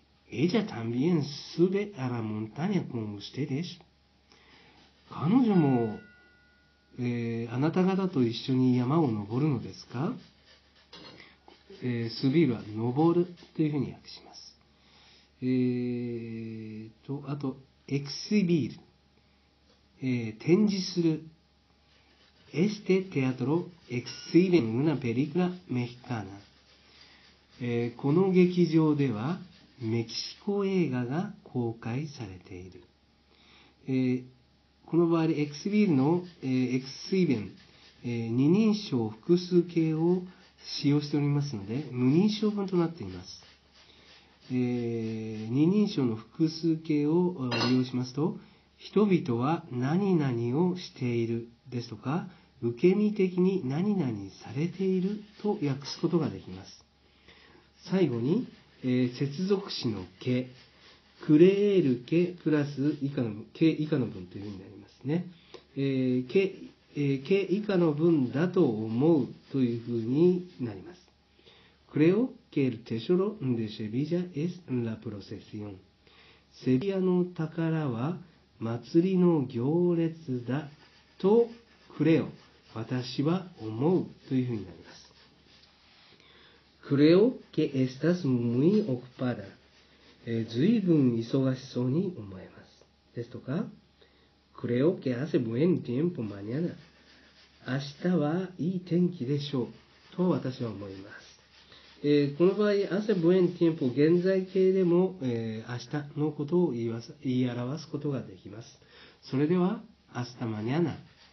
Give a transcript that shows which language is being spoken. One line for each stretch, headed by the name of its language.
Spanish: Ella también sube a la montaña con ustedes。
Japanese: 彼女も、あなた方と一緒に山を登るのですか？スビールは登るというふうに訳します。あと、エクシビール、展示する。
Spanish: Este teatro exhibe una película mexicana。
Japanese: この劇場ではメキシコ映画が公開されている。この場合、エクシビールの、エクシビン、二人称複数形を使用しておりますので、無人称文となっています。二人称の複数形を利用しますと、人々は何々をしているですとか、受け身的に何々されていると訳すことができます。最後に、接続詞のけ、クレールけプラス以下のけ以下の文というふうになりますね。け以下の文だと思うというふうになります。
Spanish: クレオQue el tesoro de Sevilla es la procesión.
Japanese: セビリアの宝は祭りの行列だとクレオ、私は思うというふうになります。
Spanish: Creo que estás muy ocupada.
Japanese: 随分忙しそうに思えます。ですとか、
Spanish: Creo que hace buen tiempo mañana.
Japanese: 明日はいい天気でしょうと私は思います。この場合、
Spanish: hace buen tiempo、
Japanese: 現在形でも、明日のことを言い表すことができます。それでは、
Spanish: hasta mañana。